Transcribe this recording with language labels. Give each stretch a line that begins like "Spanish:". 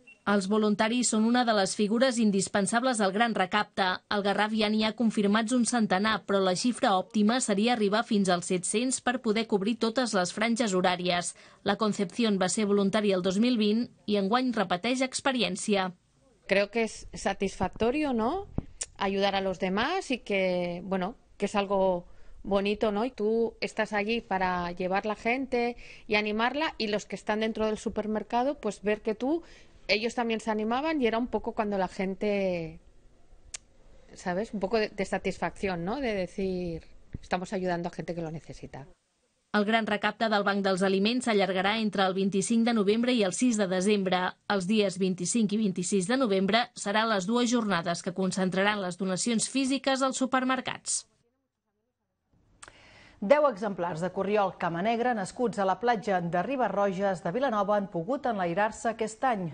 Catalan: Els voluntaris són una de les figures indispensables al Gran Recapte. Al Garraf ja n'hi ha confirmats un centenar, però la xifra òptima seria arribar fins als 700 per poder cobrir totes les franges horàries. La Concepción va ser voluntària el 2020 i enguany repeteix experiència.
Spanish: Creo que es satisfactorio, ¿no?, ayudar a los demás y que, bueno, que es algo bonito, ¿no? Y tú estás allí para llevar la gente y animarla, y los que están dentro del supermercado, pues ver que tú... Ellos también se animaban y era un poco cuando la gente, ¿sabes?, un poco de satisfacción, ¿no?, de decir, estamos ayudando a gente que lo necesita.
Catalan: El Gran Recapte del Banc dels Aliments s'allargarà entre el 25 de novembre i el 6 de desembre. Els dies 25 i 26 de novembre seran les dues jornades que concentraran les donacions físiques als supermercats. 10 exemplars de corriol cama negra nascuts a la platja de Ribarroges de Vilanova han pogut enlairar-se aquest any.